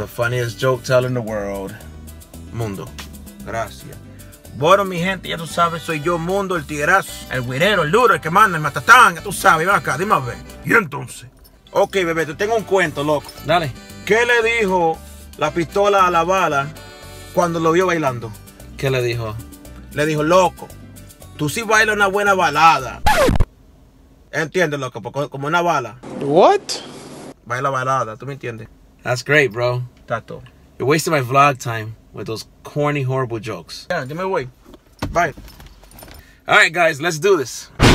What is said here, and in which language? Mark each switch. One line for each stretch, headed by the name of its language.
English: The funniest joke teller in the world.
Spanish: Mundo. Gracias. Bueno, mi gente, ya tú sabes, soy yo, Mundo, el tigrazo, el güirero, el duro, el que manda, el matatán, ya tú sabes, ven acá, dime a ver. ¿Y entonces? Ok, bebé, te tengo un cuento, loco. Dale. ¿Qué le dijo la pistola a la bala cuando lo vio bailando? ¿Qué le dijo? Le dijo, loco. Tú sí bailas una buena balada. Entiendes, loco, porque como una bala.
English: What?
Spanish: Baila balada, tú me entiendes.
English: That's great, bro.
Spanish: Tato.
English: You're wasting my vlog time with those corny, horrible jokes. Yeah, give me away. Bye. All right, guys, let's do this.